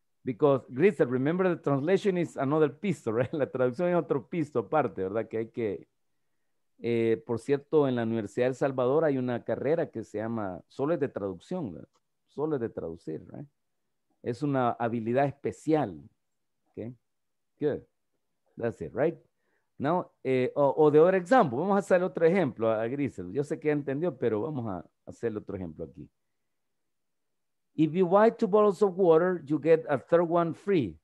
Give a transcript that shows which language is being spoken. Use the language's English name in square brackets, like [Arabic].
[English] Because, Grisel, remember the translation is another piece, right? [Spanish] La traducción es otro piece aparte, ¿verdad? Que hay que, por cierto, en la Universidad de El Salvador hay una carrera que se llama, solo es de traducción, ¿verdad? Solo es de traducir, ¿verdad? Es una habilidad especial, ¿okay? [English] Good. That's it, right? Now, the other example. [Spanish] Vamos a hacer otro ejemplo a Grisel. Yo sé que ya entendió, pero vamos a hacer otro ejemplo aquí. [English] If you buy two bottles of water, you get a third one free.